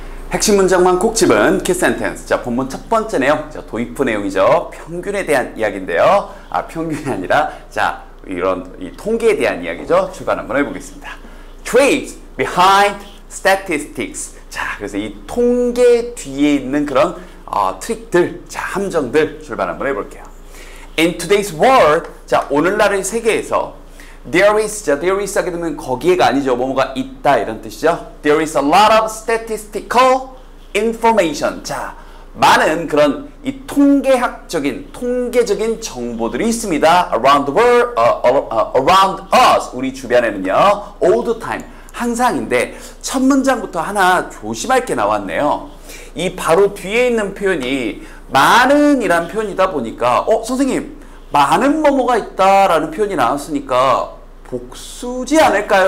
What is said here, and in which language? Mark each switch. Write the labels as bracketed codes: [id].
[ko] 핵심 문장만 콕 집은 키센텐스. 자, 본문 첫 번째 내용. 자, 도입부 내용이죠. 평균에 대한 이야기인데요. 아, 평균이 아니라, 자, 이런 이 통계에 대한 이야기죠. 출발 한번 해보겠습니다. [en] Trades behind statistics. [ko] 자, 그래서 이 통계 뒤에 있는 그런 트릭들, 자, 함정들 출발 한번 해볼게요. [en] In today's world, [ko] 자, 오늘날의 세계에서 [en] There is, [ko] 자, [en] there is [ko] 하게 되면 거기에가 아니죠. 뭐뭐가 있다 이런 뜻이죠. [en] There is a lot of statistical information. [ko] 자, 많은 그런 이 통계학적인, 통계적인 정보들이 있습니다. [en] Around the world, around us, [ko] 우리 주변에는요. [en] All the time, [ko] 항상인데 첫 문장부터 하나 조심할 게 나왔네요. 이 바로 뒤에 있는 표현이 많은 이란 표현이다 보니까 선생님, 많은 뭐뭐가 있다라는 표현이 나왔으니까 복수지 않을까요?